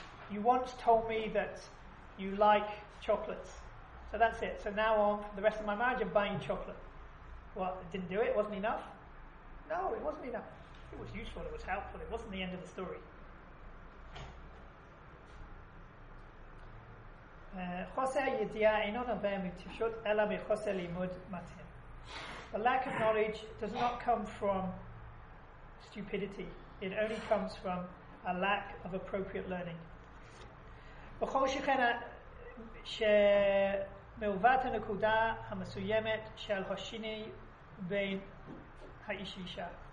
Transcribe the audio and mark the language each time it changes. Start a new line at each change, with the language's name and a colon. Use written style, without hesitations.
English: You once told me that you like chocolates. So that's it. So now on for the rest of my marriage, I'm buying chocolate. What, it didn't do it? It wasn't enough? No, it wasn't enough. It was useful, it was helpful, it wasn't the end of the story.
Hebrew: חוסר ידיעה אינו נובע מטיפשות אלא מחוסר לימוד מתאים.
English: The lack of knowledge does not come from stupidity. It only comes from a lack of appropriate learning.
Hebrew: בכל שכן שמעוות הנקודה המסוימת של השני בין האיש אישה.